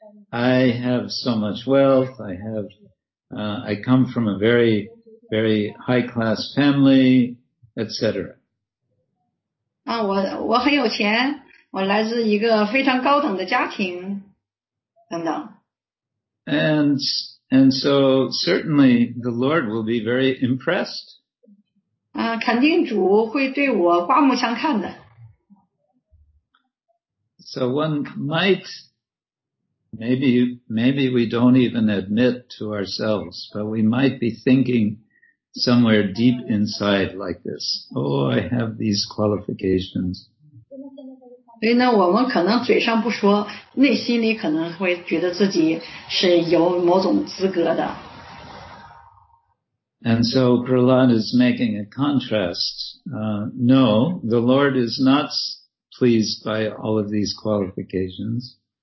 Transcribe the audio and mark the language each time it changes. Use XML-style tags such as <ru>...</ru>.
<en>I have so much wealth. I have, I come from a very, very high class family, etc.</en> <zh>啊，我很有钱，我来自一个非常高等的家庭，等等。</zh> <en>And so certainly the Lord will be very impressed.</en> <zh>肯定主会对我刮目相看的。</zh> <en>So one might, maybe we don't even admit to ourselves, but we might be thinking somewhere deep inside like this. Oh, I have these qualifications.</en> <zh>所以呢，我们可能嘴上不说，内心里可能会觉得自己是有某种资格的。</zh> <en>And so Prahlad is making a contrast. No, the Lord is not pleased by all of these qualifications.</en>